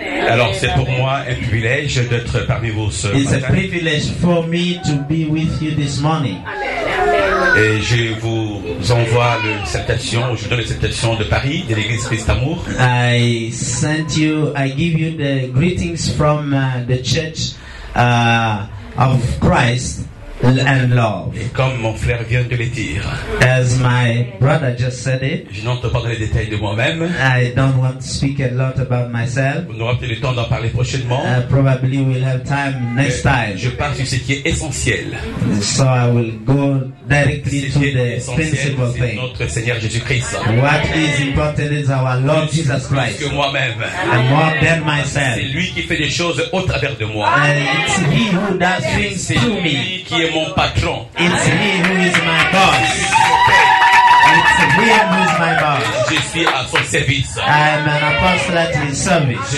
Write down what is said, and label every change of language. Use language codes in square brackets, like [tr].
[fr] Alors c'est pour moi un privilège d'être parmi vous ce matin. [en] It's a privilege for me to be with you this morning. [fr] Et je vous envoie le salutation, je donne les salutations de Paris, de l'église Christ Amour. [en] I send you, I give you the greetings from the church of Christ and love. [fr] Et comme mon frère vient de le dire, [en] as my brother just said it, [fr] je n'entends pas dans les détails de moi-même. [en] I don't want to speak a lot about myself. [fr] On aura peut-être le temps d'en parler prochainement. [en] Probably we'll have time next time. [fr] Je pars sur ce qui est essentiel. [en] So I will go directly to the principal thing. [fr] Notre Seigneur Jésus-Christ. [en] What is important is our Lord Jesus Christ. [fr] Que moi-même. [en] And more than myself. [fr] C'est lui qui fait des choses au travers de moi. [en] It's he who does things to me. [fr] Qui est mon patron. [en] It's he who is my boss. It's he who is my boss. [fr] Je suis à son service. [en] I'm an apostle at his service.